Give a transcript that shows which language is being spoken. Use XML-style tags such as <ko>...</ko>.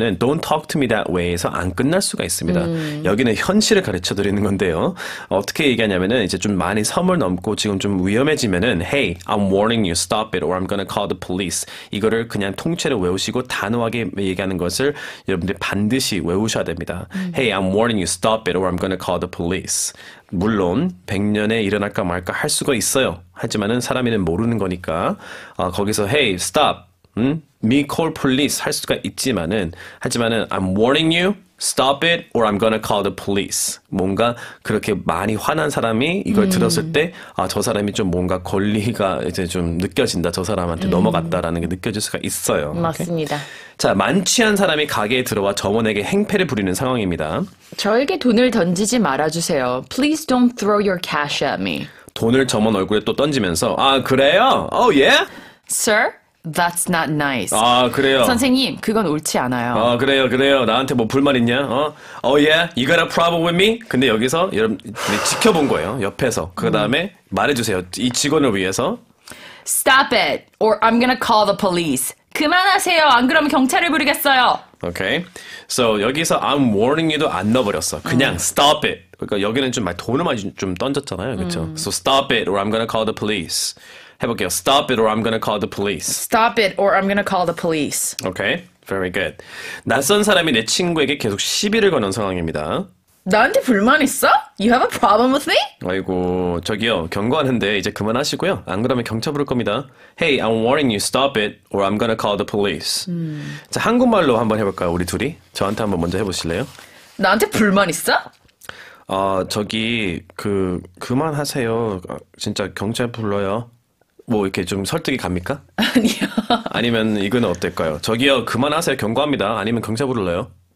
<ko>보면은</ko> <en>don't talk to me that way</en> <ko>에서 안 끝날 수가 있습니다. 여기는 현실을 가르쳐 드리는 건데요. 어떻게 얘기하냐면은 이제 좀 많이 섬을 넘고 지금 좀 위험해지면은</ko> <en>hey, I'm warning you, stop it or I'm gonna call the police.</en> <ko>이거를 그냥 통째로 외우시고 단호하게 얘기하는 것을 여러분들이 반드시 외우셔야 됩니다.</ko> <en>Hey, I'm warning you, stop it or I'm gonna call the police.</en> <ko>물론 100년에 일어날까 말까 할 수가 있어요. 하지만은 사람이는 모르는 거니까 거기서</ko> <en>hey, stop. 미 콜 폴리스</en> <ko>할 수가 있지만은 하지만은</ko> <en>I'm warning you, stop it or I'm gonna call the police.</en> <ko>뭔가 그렇게 많이 화난 사람이 이걸 들었을 때 아, 저 사람이 좀 뭔가 권리가 이제 좀 느껴진다. 저 사람한테 넘어갔다라는 게 느껴질 수가 있어요. 맞습니다. 자, 만취한 사람이 가게에 들어와 점원에게 행패를 부리는 상황입니다. 저에게 돈을 던지지 말아 주세요.</ko> <en>Please don't throw your cash at me.</en> <ko>돈을 점원 얼굴에 또 던지면서 아, 그래요?</ko> <en>Oh yeah? Sir? That's not nice.</en> <ko>아, 그래요. 선생님, 그건 옳지 않아요. 아, 그래요, 그래요. 나한테 뭐 불만 있냐? 어?</ko> <en>Oh yeah, you got a problem with me?</en> <ko>근데 여기서 여러분 지켜본 거예요, 옆에서. 그 다음에 말해주세요, 이 직원을 위해서.</ko> <en>Stop it, or I'm gonna call the police.</en> <ko>그만하세요, 안 그러면 경찰을 부리겠어요.</ko> <en>Okay, so</en> <ko>여기서</ko> <en>I'm warning you도</en> <ko>안 넣어버렸어. 그냥</ko> <en>stop it.</en> <ko>그러니까 여기는 좀 많이 돈을 많이 좀 던졌잖아요, 그렇죠?</ko> <en>So stop it, or I'm gonna call the police.</en> <ko>해볼게요.</ko> <en>Stop it or I'm gonna call the police. Stop it or I'm gonna call the police. Okay, very good.</en> <ko>낯선 사람이 내 친구에게 계속 시비를 거는 상황입니다. 나한테 불만 있어?</ko> <en>You have a problem with me?</en> <ko>아이고, 저기요. 경고하는데 이제 그만하시고요. 안 그러면 경찰 부를 겁니다.</ko> <en>Hey, I'm warning you. Stop it or I'm gonna call the police.</en> <ko>자, 한국말로 한번 해볼까요, 우리 둘이? 저한테 한번 먼저 해보실래요? 나한테 불만 있어? 저기, 그만하세요. 진짜 경찰 불러요. 뭐 이렇게 좀 설득이 갑니까? 아니요. 아니면 이건 어떨까요? 저기요, 그만하세요. 경고합니다. 아니면 경찰 부를래요?</ko>